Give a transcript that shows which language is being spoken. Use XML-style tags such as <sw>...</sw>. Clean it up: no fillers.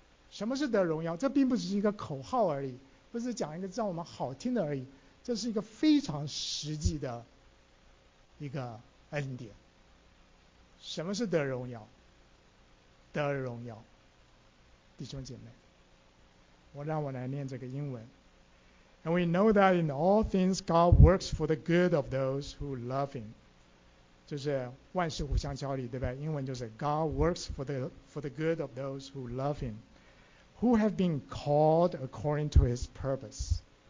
<zh>什么是得荣耀？这并不是一个口号而已，不是讲一个让我们好听的而已，这是一个非常实际的一个恩典。什么是得荣耀？得荣耀，弟兄姐妹，让我来念这个英文。</zh> <en>And we know that in all things God works for the good of those who love Him.</en> <zh>就是万事互相效力，对吧？英文就是</zh> <en>God works for the good of those who love Him, who have been called according to His purpose.</en>